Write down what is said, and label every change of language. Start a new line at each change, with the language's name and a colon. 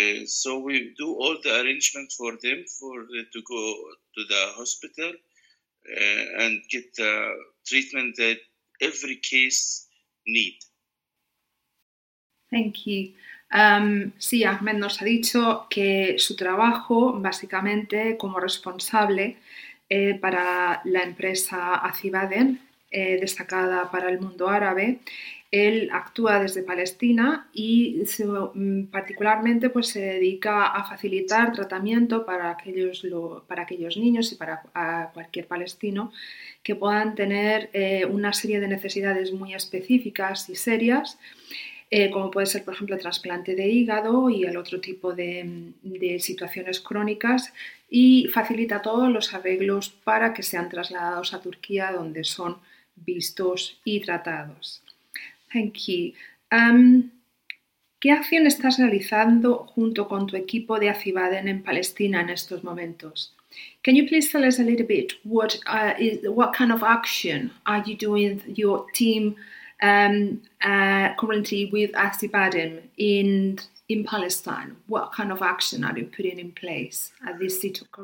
English: So we do all the arrangements for them to go to the hospital and get the treatment that every case need. Thank you.
Spanish: Sí, Ahmed nos ha dicho que su trabajo, básicamente como responsable para la empresa Asibadem, destacada para el mundo árabe, él actúa desde Palestina y particularmente pues, se dedica a facilitar tratamiento para aquellos niños y para cualquier palestino que puedan tener una serie de necesidades muy específicas y serias. Como puede ser, por ejemplo, el trasplante de hígado y el otro tipo de situaciones crónicas, y facilita todos los arreglos para que sean trasladados a Turquía, donde son vistos y tratados.
English: Thank you.
Spanish: ¿Qué acción estás realizando junto con tu equipo de Asibadem en Palestina en estos momentos?
English: Can you please tell us a little bit what kind of action are you doing with your team? Currently with Asibadem in Palestine, what kind of action are you putting in place at this situation?